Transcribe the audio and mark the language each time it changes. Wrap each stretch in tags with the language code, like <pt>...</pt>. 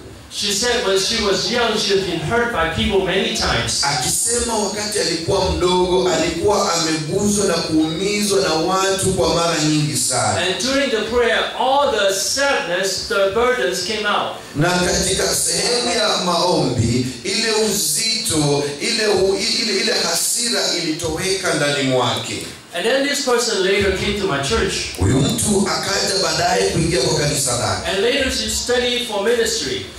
<en>She said when she was young, she had been hurt by people many times.</en> <sw>Akisema wakati alikuwa mdogo, alikuwa ameguzwa na kuumizwa na watu kwa mara nyingi sana.</sw> <en>And during the prayer, all the sadness, the burdens came out.</en> <sw>Na katika sehemu ya maombi, ile uzito, ile hasira ilitoweka ndani mwake.</sw> <en>And then this person later came to my church. And later she studied for ministry.</en>